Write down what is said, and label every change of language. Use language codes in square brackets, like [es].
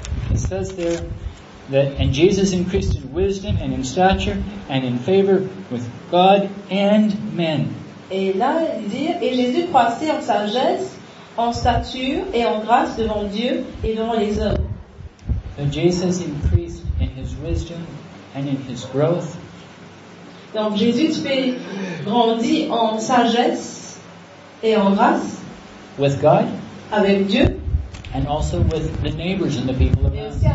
[en] It says there that and Jesus increased in wisdom and in stature and in favor with God and men. [fr] Et là, et Jésus croissait en sagesse, en stature et en grâce devant Dieu et devant les hommes. [en] So Jesus increased in his wisdom and in his growth. [fr] Donc Jésus grandit en sagesse et en grâce. [en] With God. [fr] Avec Dieu. [en] And also with the neighbors and the people around.